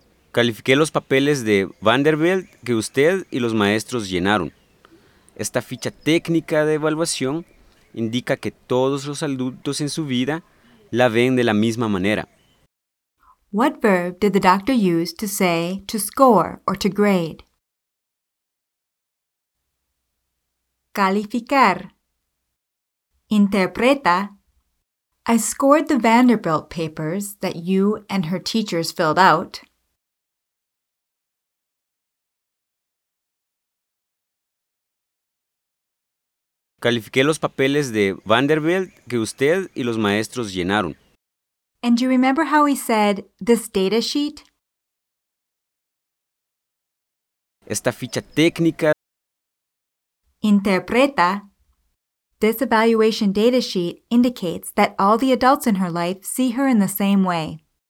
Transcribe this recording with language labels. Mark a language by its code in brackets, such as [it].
[es] Califiqué los papeles de Vanderbilt que usted y los maestros llenaron. Esta ficha técnica de evaluación indica que todos los adultos en su vida la ven de la misma manera. [en] What verb did the doctor use to say to score or to grade? [es] Calificar. Interpreta. [en] I scored the Vanderbilt papers that you and her teachers filled out. [es] Califiqué los papeles de Vanderbilt que usted y los maestros llenaron. [en] And you remember how he said this data sheet? [es] Esta ficha técnica. Interpreta. [en] This evaluation data sheet indicates that all the adults in her life see her in the same way.